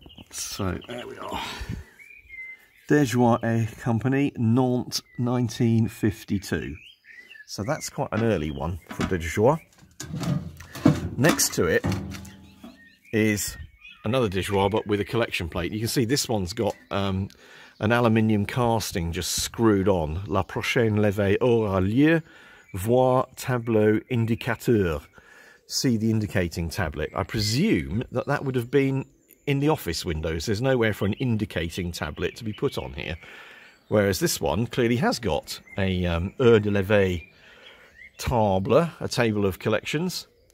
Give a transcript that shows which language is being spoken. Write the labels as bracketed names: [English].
[English] So, there we are. De Joie et Company, Nantes, 1952. So that's quite an early one for De Joie. Next to it is another De Joie, but with a collection plate. You can see this one's got an aluminium casting just screwed on. [French] La prochaine levée aura lieu, voir tableau indicateur. [English] see the indicating tablet. I presume that that would have been in the office windows. There's nowhere for an indicating tablet to be put on here. Whereas this one clearly has got a heure de lever table, a table of collections.